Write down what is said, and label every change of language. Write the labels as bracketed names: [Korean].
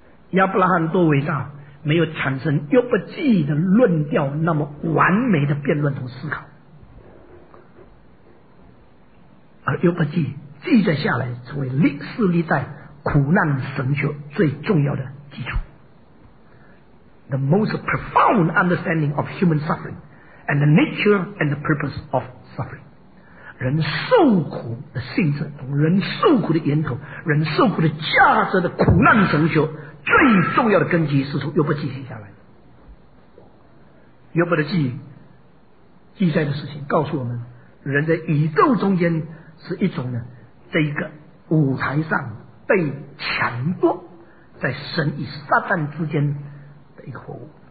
[Chinese] 亚伯拉罕多伟大，没有产生约伯记忆的论调那么完美的辩论和思考，而约伯记记载下来成为历史历代苦难神学最重要的基础。 [English] The most profound understanding of human suffering and the nature and the purpose of suffering. [Chinese] 人受苦的性质，人受苦的源头，人受苦的价值的苦难神学最重要的根基是从约伯记载下来的。约伯的记载的事情告诉我们，人在宇宙中间是一种呢，这一个舞台上被抢夺在神与撒旦之间的一个活物，